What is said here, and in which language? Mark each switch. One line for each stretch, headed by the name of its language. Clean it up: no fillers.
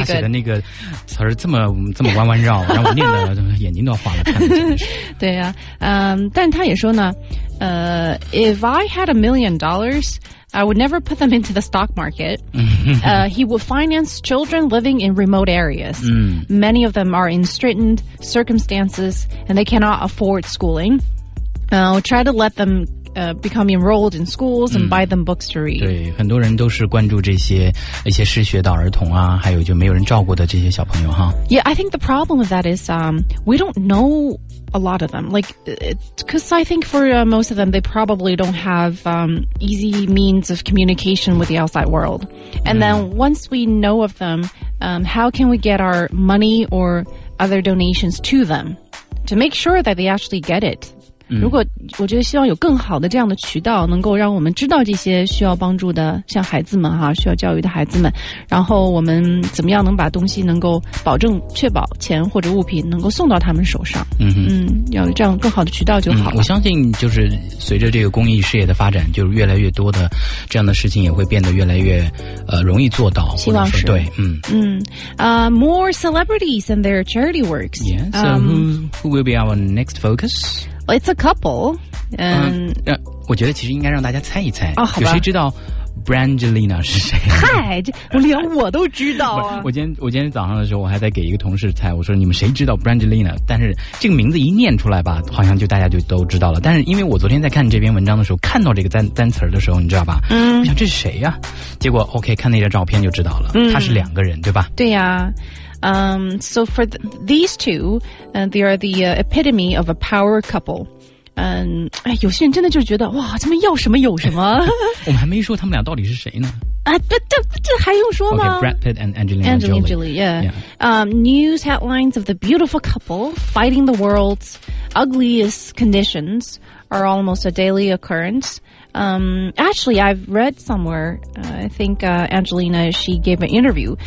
Chinese: 他写的那个词儿这么弯弯绕，让我念的眼睛都要花了。对啊，但他也说呢，
English: if I had $1 million,I would never put them into the stock market. He would finance children living in remote areas. Many of them are in straitened circumstances and they cannot afford schooling. I would try to let thembecome enrolled in schools and buy them books to read.
Chinese: 对，很多人都是关注这些一些失学的儿童啊，还有就没有人照顾的这些小朋友哈。
English: Yeah, I think the problem with that is we don't know a lot of them. Like, because I think for most of them, they probably don't have easy means of communication with the outside world. And then once we know of them, how can we get our money or other donations to them to make sure that they actually get it?
Chinese: 如果我觉得希望有更好的这样的渠道能够让我们知道这些需要帮助的像孩子们哈，需要教育的孩子们，然后我们怎么样能把东西能够保证确保钱或者物品能够送到他们手上，要有这样更好的渠道就好了。我相信就是随着这个公益事业的发展，就是越来越多的这样的事情也会变得越来越容易做到，希望是对。
English: More celebrities and their charity works. Yeah, so who will be our next focus? It's a couple. I think it's actually going to let you guess. Oh, okay. Do you know Brangelina is who?
Chinese: Hi, 连我都知道啊。我今天早上的时候，我还在给一个同事猜，我说你们谁知道 Brangelina？但是这个名字一念出来吧，好像就大家就都知道了。但是因为我昨天在看这篇文章的时候，看到这个单词的时候，你知道吧？我想这是谁呀？结果 OK， 看那张照片就知道了，他是两个人，对吧？对呀。
English: So for these two, they are the epitome of a power couple.
Chinese: 有些人真的就觉得哇，他们要什么有什么。我们还没说他们俩到底是谁呢。这还用说吗
English: ？Okay, Brad Pitt and Angelina Jolie. News headlines of the beautiful couple fighting the world's ugliest conditions are almost a daily occurrence. Actually, I've read somewhere, I think Angelina, she gave an interview.